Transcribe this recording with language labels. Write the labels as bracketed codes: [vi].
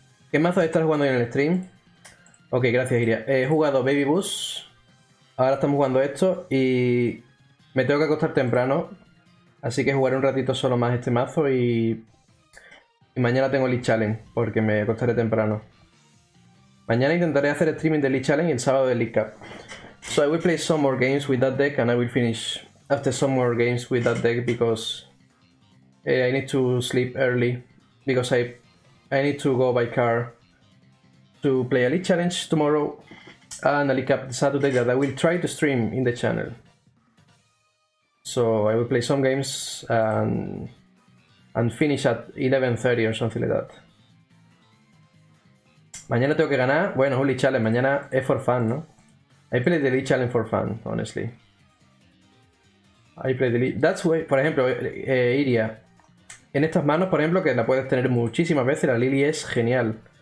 [es] ¿Qué mazo estás jugando en el stream? Ok, gracias, Iria. He jugado Baby Bus. Ahora estamos jugando esto y me tengo que acostar temprano. Así que jugaré un ratito solo más este mazo y mañana tengo Lee Challenge porque me acostaré temprano. Mañana intentaré hacer streaming de Lee Challenge y el sábado de Lee Cup. [en] So I will play some more games with that deck and I will finish after some more games with that deck because I need to sleep early because I need to go by car to play a Lee Challenge tomorrow and a Lee Cup Saturday that I will try to stream in the channel. So I will play some games and finish at 11:30 or something like that. [es] Mañana tengo que ganar. Bueno, es un Lee Challenge. Mañana es [en] for fun, [es] ¿no? [en] I play the Lee Challenge for fun, honestly. I play the Lee. That's why, [es] por ejemplo, [en] Iria. [es] En estas manos, por ejemplo, que la puedes tener muchísimas veces, la Lily es genial.